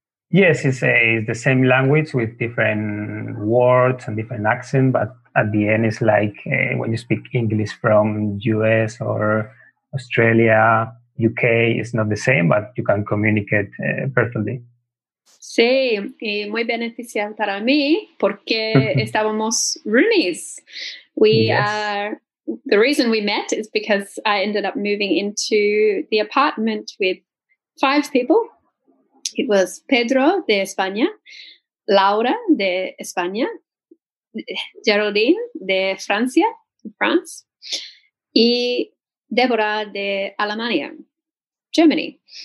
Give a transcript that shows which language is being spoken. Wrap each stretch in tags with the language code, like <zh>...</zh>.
<en>Yes, it's the same language with different words and different accent, but at the end it's like when you speak English from US or Australia, UK, it's not the same, but you can communicate perfectly.</en> <es>Sí, y muy beneficial para mí porque estábamos roomies.</es> <en>The reason we met is because I ended up moving into the apartment with five people. It was</en> <es>Pedro de España, Laura de España, Geraldine de Francia, France, y Deborah de Alemania, Germany.</es>